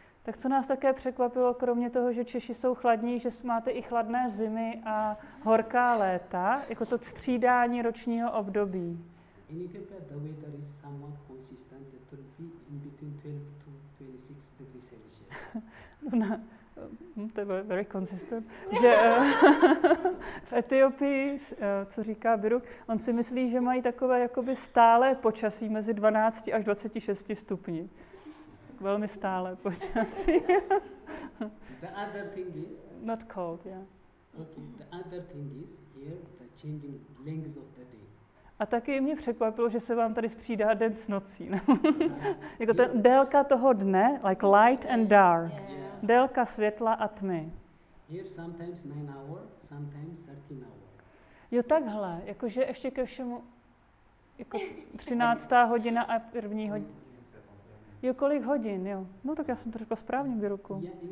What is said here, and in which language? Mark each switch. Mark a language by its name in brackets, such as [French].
[Czech] Tak co nás také překvapilo, kromě toho, že Češi jsou chladní, že máte i chladné zimy a horká léta, jako to střídání ročního období. [English] In Ethiopia, the weather is somewhat consistent. It will be in between 12 to 26 degrees Celsius. [Czech] To bylo [English] very consistent, [Czech] že v Etiopii, co říká Biruk, on si myslí, že mají takové jakoby stálé počasí mezi 12 až 26 stupni. Tak velmi stálé počasí. [English] The other thing is... Not cold, yeah. Okay, the other thing is here the changing length of the day. [Czech] A taky mě překvapilo, že se vám tady střídá den s nocí. Jako ten délka toho dne, [English] like light and dark. Yeah. [Czech] Délka světla a tmy. [English] Here sometimes 9 hours, sometimes 13 hours. [Czech] Jo, takhle, jakože ještě ke všemu, jako 13. hodina a první hodina. Jo, kolik hodin, jo. No tak já jsem to řekla správně, Biruku.